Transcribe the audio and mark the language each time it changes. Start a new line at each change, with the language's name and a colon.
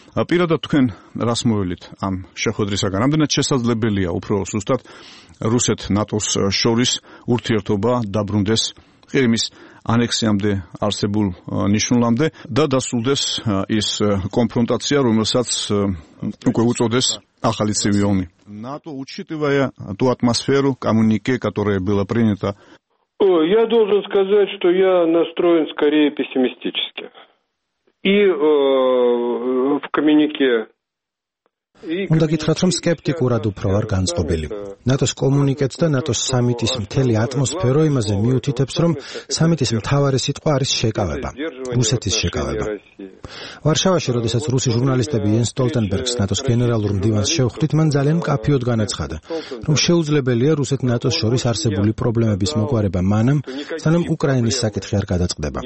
Georgian: პირადად თქვენ რას მოველით ამ შეხვედრისაგან? რამდენად შესაძლებელია უფრო უბრალოდ რუსეთ-ნატოს შორის ურთიერთობა დაბრუნდეს ყირიმის ანექსიამდე არსებულ ნიშნულამდე და დასრულდეს ის კონფრონტაცია, რომელსაც უკვე უწოდეს ახალი ცივი ომი.
Russian: НАТО учитывая ту атмосферу коммунике, которая была принята. Я должен сказать, что я настроен скорее пессимистически. И в коммунике
Georgian: უნდა გითხრათ, რომ скептикурад უფრო არ განწყობილი. ნატოს კომუნიკეტს და ნატოს სამიტის მთელი ატმოსფერო იმაზე მიუთითებს, რომ სამიტის მთავარი სიტყვა არის შეკავება, რუსეთის შეკავება. ვარშავაში, როდესაც რუსი ჟურნალისტები იენს სტოლტენბერგს ნატოს გენერალურ მდივანს შეხვდით, მან ძალიან კაფიოდ განაცხადა, რომ შეუძლებელია რუსეთ-ნატოს შორის არსებული პრობლემების მოგვარება მანამ, სანამ უკრაინის საკითხი არ გადაწყდება.